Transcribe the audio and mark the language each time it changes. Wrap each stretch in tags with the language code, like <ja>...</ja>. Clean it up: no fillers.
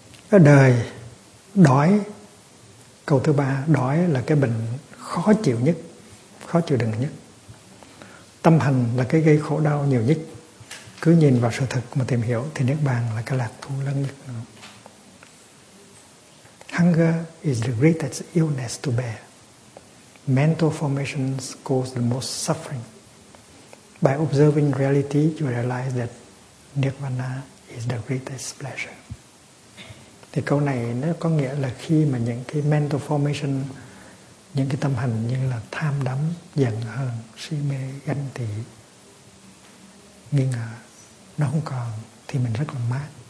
<vi>Ở đời, đói. Câu thứ ba, đói là cái bệnh khó chịu nhất, khó chịu đựng nhất. Tâm hành là cái gây khổ đau nhiều nhất. Cứ nhìn vào sự thật mà tìm hiểu thì Niết Bàn là cái lạc thú lớn nhất.</vi> <en>Hunger is the greatest illness to bear. Mental formations cause the most suffering. By observing reality, you realize that Nirvana is the greatest pleasure.</en> <vi>Thì câu này nó có nghĩa là khi mà những cái mental formation, những cái tâm hành như là tham đắm, giận hờn, si mê, ganh tị, nghi ngờ, nó không còn thì mình rất là mát.</vi>